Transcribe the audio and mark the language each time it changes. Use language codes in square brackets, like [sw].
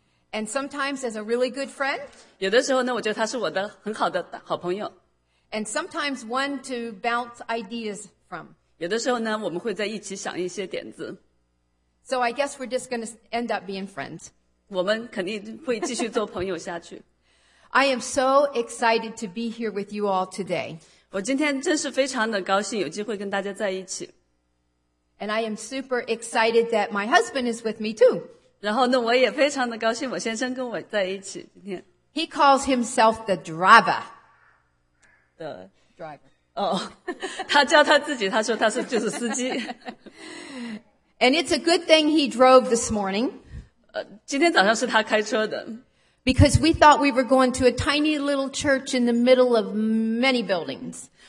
[en] And sometimes as a really good friend. [zh] 有的时候呢，我觉得她是我的很好的好朋友。 [en] And sometimes one to bounce ideas from. [zh] 有的时候呢，我们会在一起想一些点子。 [en] So I guess we're just going to end up being friends. [zh] 我们肯定会继续做朋友下去。 [en] I am so excited to be here with you all today. [zh] 我今天真是非常的高兴有机会跟大家在一起。 [en] And I am super excited that my husband is with me too. [zh] 然后呢，我也非常的高兴，我先生跟我在一起今天。 [en] He calls himself the driver. The driver. [zh] 哦，他叫他自己，他说他是就是司机。 [en] And it's a good thing he drove this morning. [zh] 今天早上是他开车的。 [en] Because we thought we were going to a tiny little church in the middle of many buildings.